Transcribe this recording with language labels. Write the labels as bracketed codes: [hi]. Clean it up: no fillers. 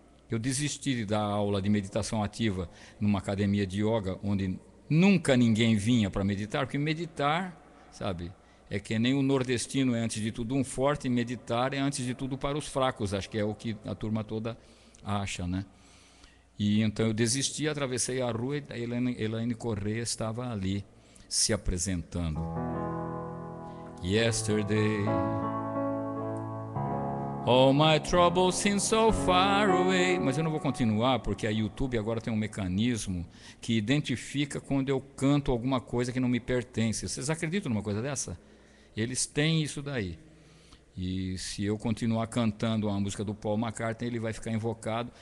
[pt] Eu desisti de dar aula de meditação ativa numa academia de yoga, onde nunca ninguém vinha para meditar, porque meditar, sabe, é que nem o nordestino é antes de tudo um forte, meditar é antes de tudo para os fracos, acho que é o que a turma toda acha, né? E então eu desisti, atravessei a rua e a Elaine Correia estava ali se apresentando. [en] Yesterday, all my troubles seem so far away. [pt] Mas eu não vou continuar, porque a YouTube agora tem um mecanismo que identifica quando eu canto alguma coisa que não me pertence. Vocês acreditam numa coisa dessa? Eles têm isso daí. E se eu continuar cantando a música do Paul McCartney, ele vai ficar invocado.